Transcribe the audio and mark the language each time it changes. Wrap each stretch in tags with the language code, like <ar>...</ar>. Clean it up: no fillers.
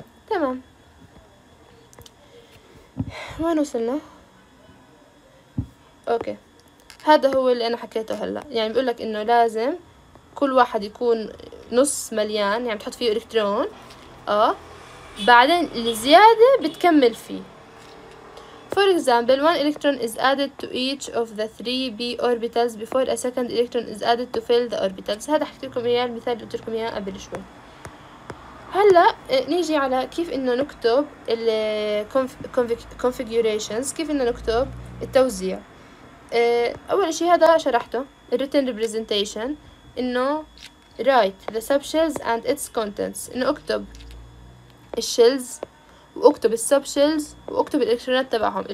<ar>تمام، وين وصلنا؟ أوكي، هذا هو اللي أنا حكيته هلا. يعني بيقولك إنه لازم كل واحد يكون نص مليان، يعني بتحط فيه إلكترون، بعدين الزيادة بتكمل فيه.</ar> <en>For example, one electron is added to each of the 3p orbitals before a second electron is added to fill the orbitals.</en> <ar>هذا حكيتلكم إياه المثال اللي قلتلكم إياه قبل شوي. هلا نيجي على كيف إنه نكتب ال configurations، كيف إنه نكتب التوزيع. أول شيء هذا شرحته</ar> <en>written representation،</en> <ar>إنه</ar> <en>write the subshells and its contents،</en> <ar>إنه أكتب الشيلز وأكتب السبشيلز وأكتب الإلكترونات تبعهم.</ar>